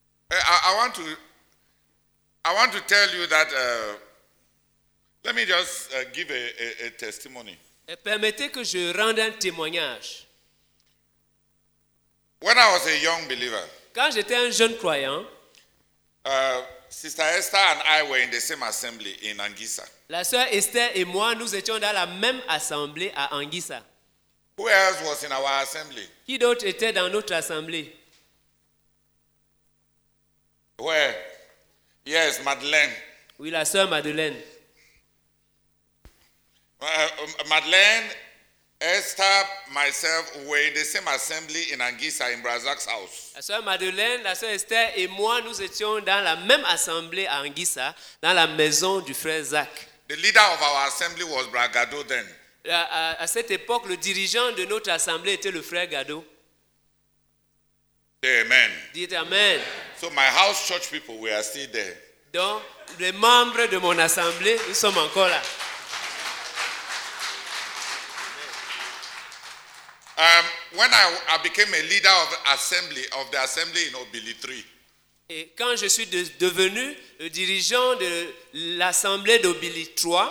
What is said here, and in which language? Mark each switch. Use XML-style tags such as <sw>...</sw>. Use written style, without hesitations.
<en>I want to tell you that let me just give a testimony.</en> <fr>Et permettez que je rende un témoignage.</fr> <en>When I was a young believer,</en> <fr>quand j'étais un jeune croyant,</fr> <en>Sister Esther and I were in the same assembly in Angisa.</en> <fr>La sœur Esther et moi, nous étions dans la même assemblée à Angisa.</fr> <en>Who else was in our assembly?</en> <fr>Qui d'autre était dans notre assemblée?</fr> <en>Where? Yes, Madeleine.</en> <fr>Oui, la sœur Madeleine.</fr> <en>Madeleine, Esther, myself were in the same assembly in Angisa in Brazak's house.</en> <fr>La sœur Madeleine, la sœur Esther et moi, nous étions dans la même assemblée à Angisa, dans la maison du frère Zach.</fr> <en>The leader of our assembly was Bragado then.</en> <fr>À cette époque, le dirigeant de notre assemblée était le frère Gado.</fr> <en>Amen.</en> <fr>Dites amen.</fr> <en>So my house church people were still there.</en> <fr>Donc, les membres de mon assemblée, nous sommes encore là.</fr> <en>When I became a leader of assembly of the assembly in Obilitri.</en> <fr>Et quand je suis devenu le dirigeant de l'assemblée d'Obilitri.</fr>